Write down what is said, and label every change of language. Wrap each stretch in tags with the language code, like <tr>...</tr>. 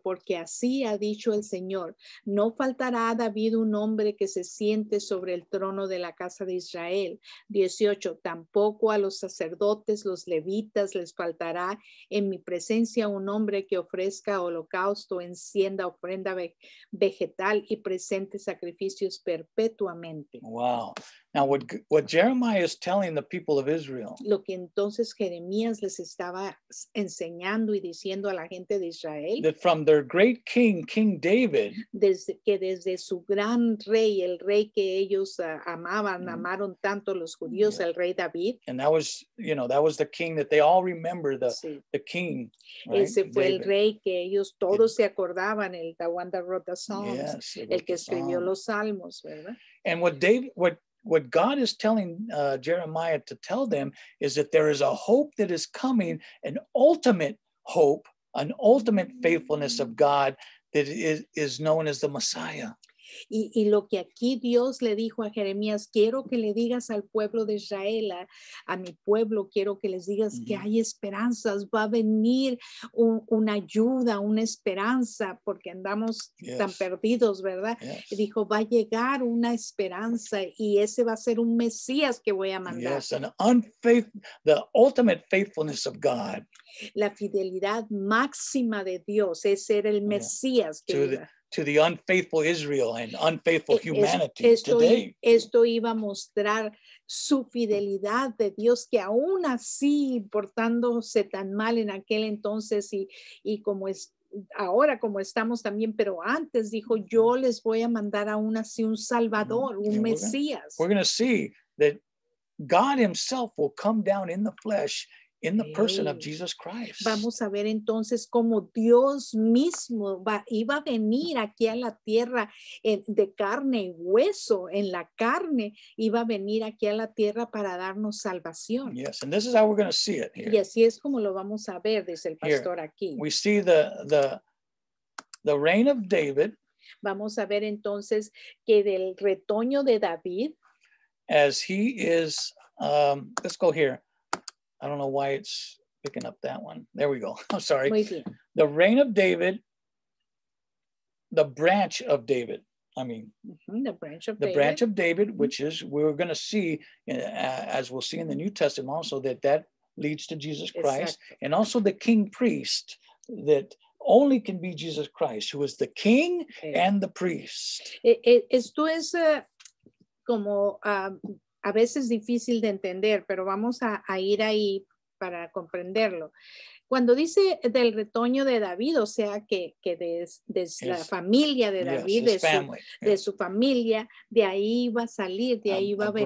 <es>Porque así ha dicho el Señor, no faltará a David un hombre que se siente sobre el trono de la casa de Israel. 18. Tampoco a los sacerdotes, los levitas, les faltará en mi presencia un hombre que ofrezca holocausto, encienda ofrenda vegetal y presente sacrificios perpetuamente.</es> <en>Wow. Now what Jeremiah is telling the people of Israel.</en> <es>Lo que entonces Jeremías les estaba enseñando y diciendo a la gente de Israel.</es> <en>That from their great king, King David.</en> <es>Desde su gran rey, el rey que ellos amaban, mm-hmm. amaron tanto los judíos, yeah. el rey David.</es> <en>And that was, you know, that was the king that they all remember, the, sí. the king. Right?</en> <es>Ese fue David. El rey que ellos todos se acordaban, el</es> <en>The One That Wrote the Psalms, yes,</en> <es>el que escribió los salmos, ¿verdad?</es> <en>And what David, what God is telling Jeremiah to tell them is that there is a hope that is coming, an ultimate hope, an ultimate faithfulness of God that is known as the Messiah.</en> <es>Y lo que aquí Dios le dijo a Jeremías, quiero que le digas al pueblo de Israel, a mi pueblo, quiero que les digas mm-hmm. que hay esperanzas, va a venir una ayuda, una esperanza, porque andamos yes. tan perdidos, ¿verdad?</es> <en>Yes.</en> <es>Y dijo, va a llegar una esperanza y ese va a ser un Mesías que voy a mandar.</es> <en>Yes, an the ultimate faithfulness of God.</en> <es>La fidelidad máxima de Dios es ser el Mesías yeah. que</es> <en>to the unfaithful Israel and unfaithful humanity today.</en> <es>Esto iba a mostrar su fidelidad de Dios, que aún así, portándose tan mal en aquel entonces y como es ahora, como estamos también, pero antes dijo, yo les voy a mandar aún así un Salvador, un Mesías.</es> <en>We're going to see that God himself will come down in the flesh in the person of Jesus Christ.</en> <es>Vamos a ver entonces cómo Dios mismo iba a venir aquí a la tierra de carne y hueso, en la carne, iba a venir aquí a la tierra para darnos salvación.</es> <en>Yes, and this is how we're going to see it here.</en> <es>Y así es como lo vamos a ver, dice el pastor</es> <en>here,</en> <es>aquí.</es> <en>We see the reign of David.</en> <es>Vamos a ver entonces que del retoño de David.</es> <en>As he is, let's go here. I don't know why it's picking up that one. There we go. I'm sorry. The reign of David, the branch of David. I mean, mm-hmm. Branch of David, which is, we're going to see, as we'll see in the New Testament also, that leads to Jesus Christ. Exactly. And also the king priest that only can be Jesus Christ, who is the king okay. and the priest.</en> <es>Esto es como... A veces difícil de entender, pero vamos a ir ahí para comprenderlo. Cuando dice del retoño de David, o sea que de la familia de David, yes, de su familia, de ahí va a salir, de ahí va a venir,</es>